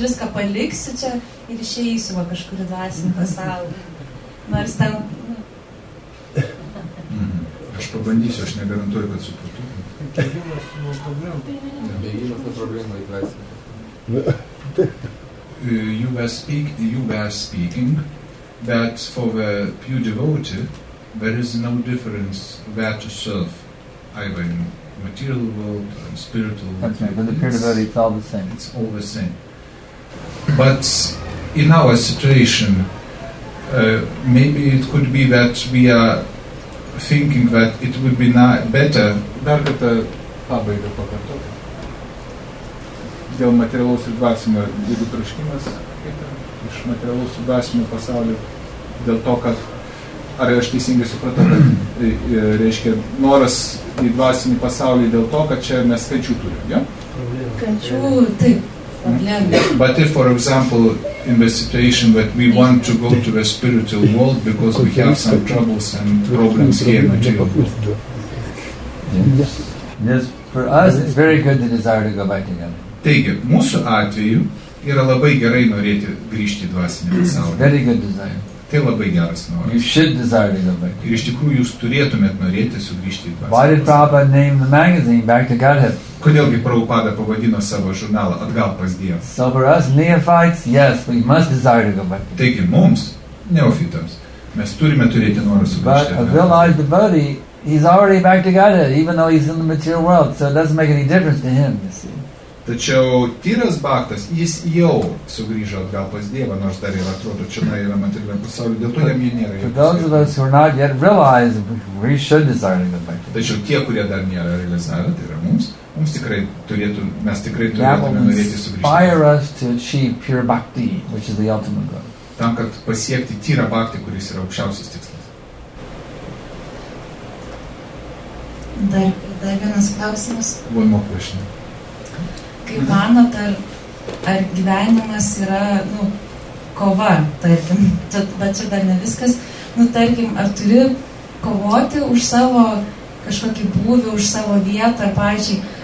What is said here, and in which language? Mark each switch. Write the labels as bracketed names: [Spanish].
[Lithuanian] viską paliksiu čia ir išeisiu va kažkur dvasinį pasaulį. Nors ten... Aš pabandysiu, aš negarantuoju, kad supratu. Bėgimas nuo problemų į dvasinį. [English] You were speaking that for the pure devotee there is no difference where to serve. Either in material world or in spiritual world. That's right, but the pure devotee, it's all the same. It's all the same. But in our situation, maybe it could be that we are thinking that it would be better. [Lithuanian] Dar kartą pabaigą pakartoti. Dėl materialaus ir dvasinio jeigu troškimas iš materialaus ir dvasinio pasaulio dėl to, kad ar aš teisingai supratau, kad reiškia noras į dvasinį pasaulį dėl to, kad čia mes skaičių turim, jo? Kančių, taip. [English] But if, for example, in the situation that we want to go to the spiritual world because we have some troubles and problems here in material world. Yes, for us it's very good the desire to go back again. [Lithuanian] Taigi, mūsų atveju yra labai gerai norėti grįžti į dvasinį pasaulį. [English] Very good desire. [Lithuanian] Tai labai geras noras. [English] You should desire to go back. [Lithuanian] Ir iš tikrųjų jūs turėtumėt norėti sugrįžti į dvasinį pasaulį. [English] Why did Prabhupada name the magazine Back to Godhead? [Lithuanian] Kodėlgi Prabhupada pavadino savo žurnalą Atgal pas Dievą? [English] So for us neophytes, yes, we must desire to go back. [Lithuanian] Taigi, mums, neofitams, mes turime turėti norą sugrįžti. [English] But a realized devotee, he's already back to Godhead, even though he's in the material world, so it doesn't make any difference to him, you see. [Lithuanian] Tačiau tyras baktas, jis jau sugrįžo atgal pas Dievą, nors dar yra atrodo, čia na, yra materialiam pasaulyje, dėl to jam jie nėra. [English] For those of us who are not yet realized, we should desire to go back. [Lithuanian] Tačiau tie, kurie dar nėra realizavę, tai yra mums, mums tikrai turėtų, mes tikrai turėtume norėti sugrįžti. [English] Fire us to achieve pure bhakti, which is the ultimate goal. [Lithuanian] Tam, kad pasiekti tyrą bhakti, kuris yra aukščiausias tikslas. Dar vienas klausimas. [English] One more question. [Lithuanian] Kaip manot, ar gyvenimas yra, nu, kova, tarkim, bet čia dar ne viskas, nu, tarkim, ar turi kovoti už savo kažkokį būvį, už savo vietą, ar, pavyzdžiui,